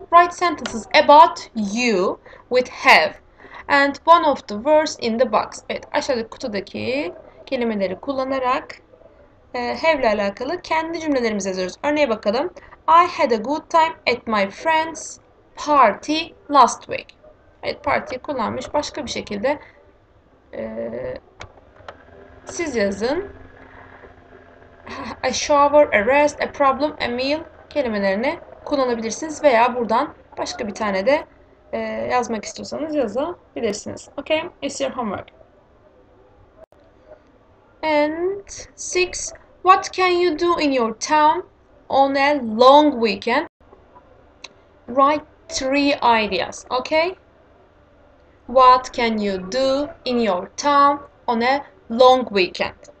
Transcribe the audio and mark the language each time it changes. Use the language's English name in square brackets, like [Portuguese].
[English] Write sentences about you with have and one of the words in the box. [Turkish] Evet, aşağıdaki kutudaki kelimeleri kullanarak have ile alakalı kendi cümlelerimizi yazıyoruz. Örneğe bakalım. [English] I had a good time at my friend's party last week. [Turkish] Evet, party kullanmış. Başka bir şekilde siz yazın. [English] A shower, a rest, a problem, a meal [Turkish] kelimelerini kullanabilirsiniz veya buradan başka bir tane de yazmak istiyorsanız yazabilirsiniz. [English] Okay, it's your homework. And six, what can you do in your town on a long weekend? Write three ideas, okay? What can you do in your town on a long weekend?